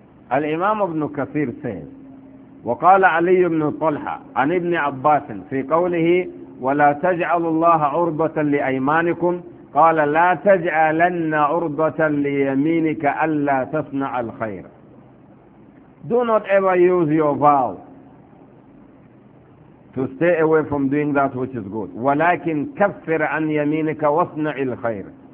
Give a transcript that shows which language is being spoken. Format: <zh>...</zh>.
<en>Al-Imam ibn Kathir says,</en> <ar>وَقَالَ عَلِيُّ بْنُ طَلْحَ عَنِ ابْنِ عَبَّاسٍ فِي قَوْلِهِ وَلَا تَجْعَلُ اللَّهَ عُرْبَةً لِأَيْمَانِكُمْ قال لا تجعلن عرضة ليمينك ألا تصنع الخير.</ar> <en>Do not ever use your vow to stay away from doing that which is good.</en> <ar>ولكن كفر عن يمينك واصنع الخير.</ar>